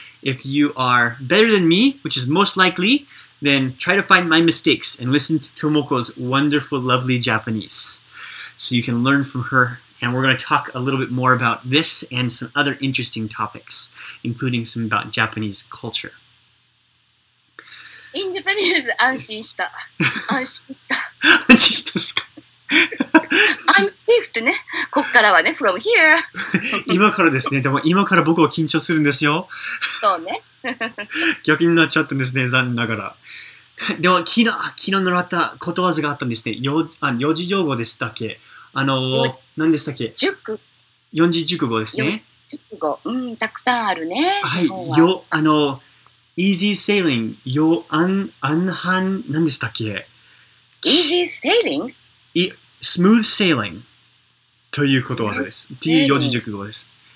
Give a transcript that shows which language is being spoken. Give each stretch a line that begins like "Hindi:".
English: If you are better than me, which is most likely, then try to find my mistakes and listen to Tomoko's wonderful, lovely Japanese. So you can learn from her. And we're going to talk a little bit more about this and some other interesting topics, including some about Japanese culture. In Japanese,
Japanese: 安心した。安心した。安心したっすか?
English: I'm safe, ね?
Japanese: ここからはね、
English: from here.
Japanese: 今からですね。でも今から僕は緊張するんですよ。そうね。逆になっちゃったんですね、 残念ながら。でも昨日習ったことわざがあったんですね。四字熟語でしたっけ?何でしたっけ? 熟語。四字熟語ですね。熟語。たくさんあるね。はい。
English: Easy sailing,
Japanese: yo anhan, 何でしたっけ?
English: Easy sailing? Smooth sailing,
Japanese: ということわざです。っていう四字熟語です。